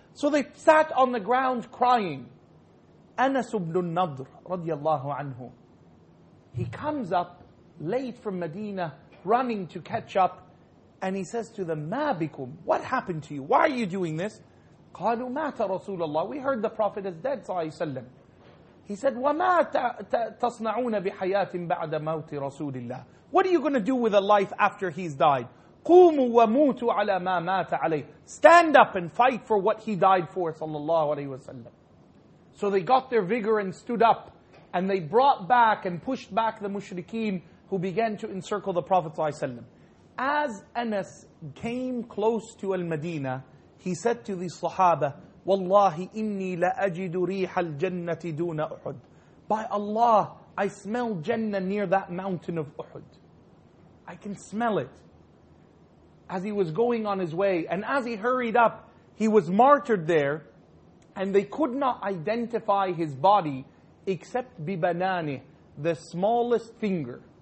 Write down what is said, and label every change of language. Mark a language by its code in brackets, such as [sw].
[en] So they sat on the ground crying. Anas ibn al-Nadr radiyallahu anhu, he comes up late from Medina, running to catch up, and he says to them, [ar] مَا بِكُمْ. [en] What happened to you? Why are you doing this? [ar] قَالُوا مَاتَ رَسُولَ اللَّهِ. [en] We heard the Prophet is dead, صلى الله عليه وسلم. He said, [ar] وَمَا تَصْنَعُونَ بِحَيَاةٍ بَعْدَ مَوْتِ رَسُولِ اللَّهِ. [en] What are you going to do with a life after he's died? [ar] قُومُوا وَمُوتُوا عَلَى مَا مَاتَ عَلَيْهِ. [en] Stand up and fight for what he died for, صلى الله عليه وسلم. So they got their vigor and stood up, and they brought back and pushed back the mushrikeen who began to encircle the Prophet ﷺ. As Anas came close to Al-Madinah, he said to the Sahaba, [ar] والله إني لأجد ريح الجنة دون أحد. [en] By Allah, I smell Jannah near that mountain of Uhud. I can smell it. As he was going on his way, and as he hurried up, he was martyred there, and they could not identify his body except bibanani, the smallest finger.